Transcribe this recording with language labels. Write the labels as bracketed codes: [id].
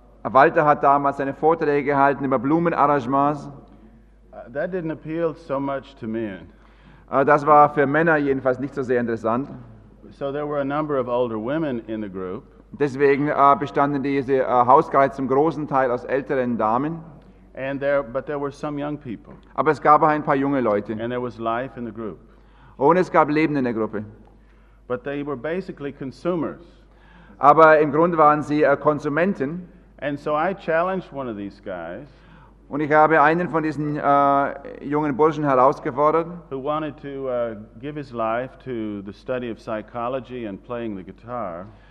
[de] Walter hat damals seine Vorträge gehalten über Blumenarrangements. [en] That didn't appeal so much to men. [de] Das war für Männer jedenfalls nicht so sehr interessant. [en] So there were a number of older women in the group. [de] Deswegen bestanden diese Hauskreise zum großen Teil aus älteren Damen. [en] And there, but there were some young people. [de] Aber es gab auch ein paar junge Leute. [en] And there was life in the group. [de] Und es gab Leben in der Gruppe. [en] But they were basically consumers. [de] Aber im Grunde waren sie Konsumenten. [en] And so I challenged one of these guys, [de] und ich habe einen von diesen jungen Burschen herausgefordert, [en] who wanted to give his life to the study of psychology and playing the guitar.